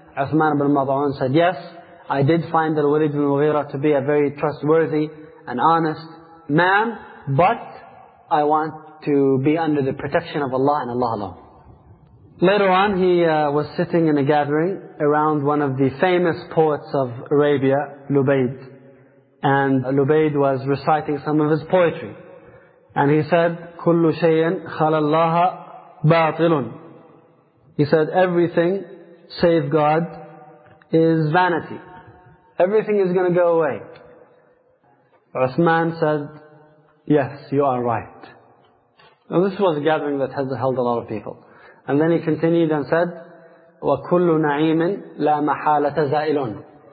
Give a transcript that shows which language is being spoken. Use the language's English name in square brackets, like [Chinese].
[English] Uthman bin Mad'un said, yes, I did find Al-Walid bin Mughira to be a very trustworthy and honest man, but I want to be under the protection of Allah and Allah alone. Later on, he was sitting in a gathering around one of the famous poets of Arabia, Lubayd. And Lubayd was reciting some of his poetry. And he said, [Arabic] كُلُّ شَيْءٍ خَلَى اللَّهَ بَاطِلٌ. [English] He said, everything save God is vanity. Everything is going to go away. Uthman said, yes, you are right. And this was a gathering that has held a lot of people. And then he continued and said, [Arabic] وَكُلُّ نَعِيمٍ لَا مَحَالَةَ زَائِلٌ.